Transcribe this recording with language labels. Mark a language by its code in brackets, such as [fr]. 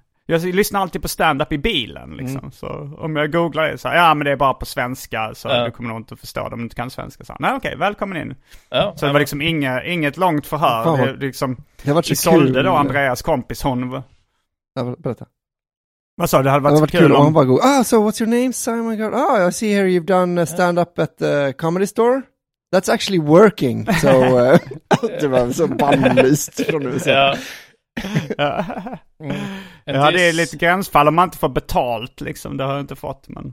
[sv] Jag lyssnar alltid på stand-up i bilen. Liksom. Mm. Så om jag googlar det så här, ja, men det är bara på svenska. Så du kommer nog inte att förstå det om du inte kan svenska. Så nej, okej, välkommen in. Ja, så det var liksom inget långt förhör. Fan, Isolde då, Andreas kompis, hon... Berätta. Vad sa du? Det hade varit kul om... [en] so what's your name, Simon? Oh, I see here you've done stand-up at the comedy store. That's actually working. [sv] So, det var så bannlyst från nu. Ja. Ja, det är lite gränsfall om man inte får betalt liksom, det har jag inte fått, men...